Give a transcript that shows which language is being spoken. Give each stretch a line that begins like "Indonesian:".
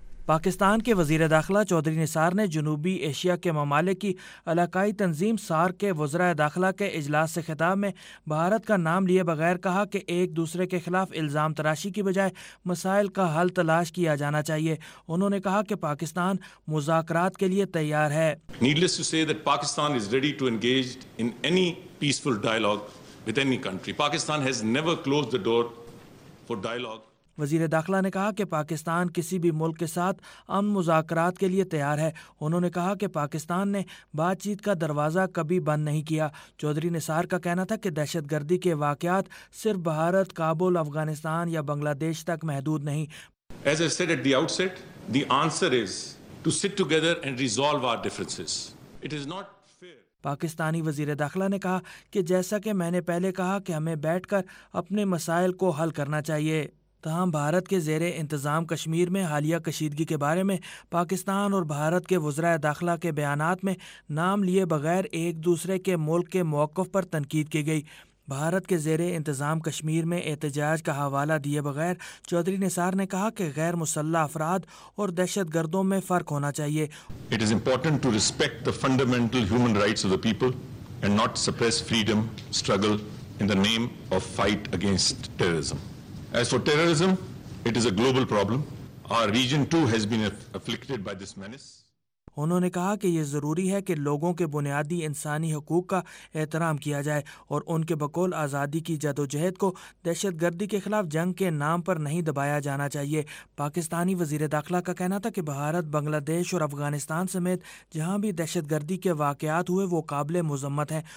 Urdu: پاکستان کے وزیر داخلہ چودھری نثار نے جنوبی ایشیا کے ممالک کی علاقائی تنظیم سارک کے وزراء داخلہ کے اجلاس سے خطاب میں بھارت کا نام لیے بغیر کہا کہ ایک دوسرے کے خلاف الزام تراشی کی بجائے مسائل کا حل تلاش کیا جانا چاہیے. انہوں نے کہا کہ پاکستان مذاکرات کے لیے تیار ہے.
English: Needless to say that Pakistan is ready to engage in any peaceful dialogue with any country. Pakistan has never closed the door for dialogue.
Urdu: وزیر داخلہ نے کہا کہ پاکستان کسی بھی ملک کے ساتھ امن مذاکرات کے لیے تیار ہے. انہوں نے کہا کہ پاکستان نے بات چیت کا دروازہ کبھی بند نہیں کیا. چودھری نثار کا کہنا تھا کہ دہشت گردی کے واقعات صرف بھارت، کابل، افغانستان یا بنگلہ دیش تک محدود نہیں.
English: As I said at the outset, the answer is to sit together and resolve our differences. It is not
Urdu: Pakistani وزیر داخلہ نے کہا کہ جیسا کہ میں نے پہلے کہا کہ ہمیں بیٹھ کر اپنے مسائل کو حل کرنا چاہیے. تاہم بھارت کے زیر انتظام کشمیر میں حالیہ کشیدگی کے بارے میں پاکستان اور بھارت کے وزراء داخلہ کے بیانات میں نام لیے بغیر ایک دوسرے کے ملک کے موقف پر تنقید کی گئی. بھارت کے زیر انتظام کشمیر میں احتجاج کا حوالہ دیے بغیر چودھری نثار نے کہا کہ غیر مسلح افراد اور دہشت گردوں میں فرق ہونا چاہیے.
English: It is important to respect the fundamental human rights of the people and not suppress freedom struggle in the name of fight against terrorism. As for terrorism, it is a global problem. Our region too has been afflicted by this menace.
Urdu: انہوں نے کہا کہ یہ ضروری ہے کہ لوگوں کے بنیادی انسانی حقوق کا احترام کیا جائے, اور ان کے بقول آزادی کی جدوجہد کو دہشت گردی کے خلاف جنگ کے نام پر نہیں دبایا جانا چاہیے. پاکستانی وزیر داخلہ کا کہنا تھا کہ بھارت، بنگلہ دیش اور افغانستان سمیت جہاں بھی دہشت گردی کے واقعات ہوئے وہ قابل مذمت ہیں.